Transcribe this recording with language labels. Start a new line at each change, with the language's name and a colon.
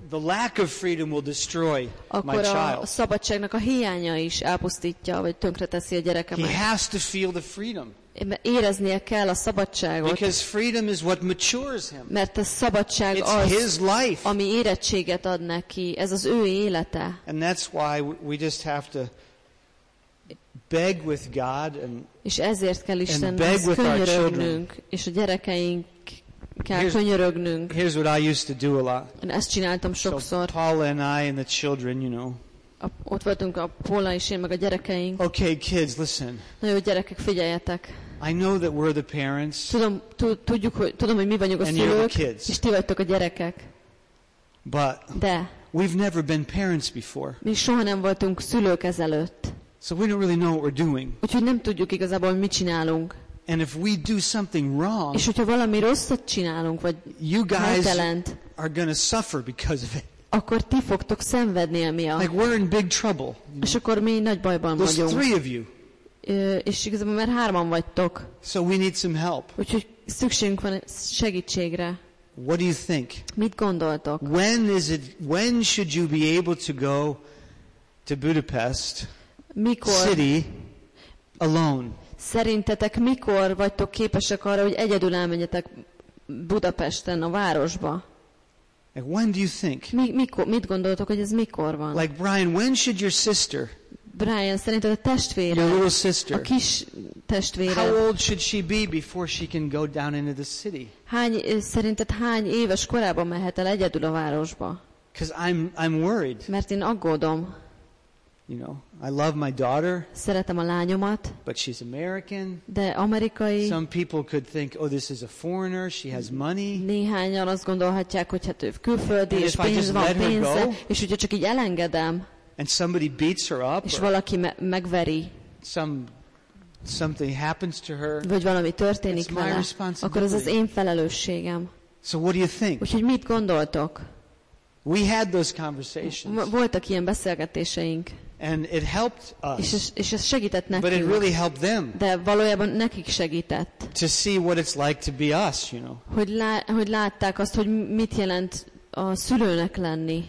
English: the lack of freedom will destroy my child.
Hungarian: Akkor a szabadságnak a hiánya is elpusztítja, vagy tönkreteszi a gyerekemet.
English: He has to feel the freedom.
Hungarian: Éreznie kell a szabadságot.
English: Because freedom is what matures him.
Hungarian: Mert a szabadság
English: it's
Hungarian: az,
English: his life.
Hungarian: Ami érettséget ad neki, ez az ő élete.
English: And that's why we just have to beg with God and,
Hungarian: és ezért kell Istennek könyörögnünk, és a gyerekeinkkel könyörögnünk.
English: Here's what I used to do a lot.
Hungarian: Én ezt csináltam sokszor.
English: So Paula and I and the children, you know.
Hungarian: Ott voltunk a Paula és én meg a gyerekeink.
English: Okay, kids, listen.
Hungarian: Na jó, gyerekek, figyeljetek.
English: I know that we're the parents.
Hungarian: Tudom, hogy mi vagyunk a szülők, és ti vagytok a gyerekek.
English: But
Hungarian: de
English: we've never been parents before.
Hungarian: Mi soha nem voltunk szülők ezelőtt.
English: So we don't really know what we're doing.
Hungarian: Úgyhogy nem tudjuk igazából, hogy mit csinálunk.
English: And if we do something wrong,
Hungarian: és hogyha valami rosszat csinálunk, vagy
English: you guys are gonna suffer because of it.
Hungarian: Akkor ti fogtok szenvedni emiatt.
English: Like we're in big trouble.
Hungarian: És akkor mi nagy bajban
English: there's
Hungarian: vagyunk.
English: Three of you.
Hungarian: És igazából már hárman vagytok.
English: So we need some help.
Hungarian: Úgyhogy szükségünk van segítségre.
English: What do you think?
Hungarian: Mit gondoltok?
English: When should you be able to go to Budapest
Hungarian: mikor
English: city alone?
Hungarian: Szerintetek mikor vagytok képesek arra, hogy egyedül elmenjetek Budapesten a városba?
English: Like when do you think?
Hungarian: Mit gondoltok, hogy ez mikor van?
English: Like Brian, when should your sister?
Hungarian: Brian, szerinted a testvére?
English: Your little sister.
Hungarian: A kis testvére.
English: How old should she be before she can go down into the city?
Hungarian: Szerinted hány éves korában mehet el egyedül a városba?
English: Because I'm worried.
Hungarian: Mert én aggódom.
English: You know, I love my daughter.
Hungarian: Szeretem a lányomat.
English: But she's American.
Hungarian: De amerikai.
English: Some people could think, oh, this is a foreigner. She has money.
Hungarian: Néhányan azt gondolhatják, hogy hát ő külföldi, és pénz van, és hogyha csak így elengedem.
English: And somebody beats her up.
Hungarian: És valaki megveri.
English: Something happens to her.
Hungarian: Vagy valami történik vele.
English: It's my responsibility.
Hungarian: Akkor ez az én felelősségem.
English: So what do you think?
Hungarian: Úgyhogy mit gondoltok?
English: We had those conversations.
Hungarian: Voltak ilyen beszélgetéseink.
English: And it helped us.
Hungarian: És ez segített nekünk.
English: But it really helped them.
Hungarian: De valójában nekik segített.
English: To see what it's like to be us, you know.
Hungarian: Hogy látták azt, hogy mit jelent a szülőnek lenni.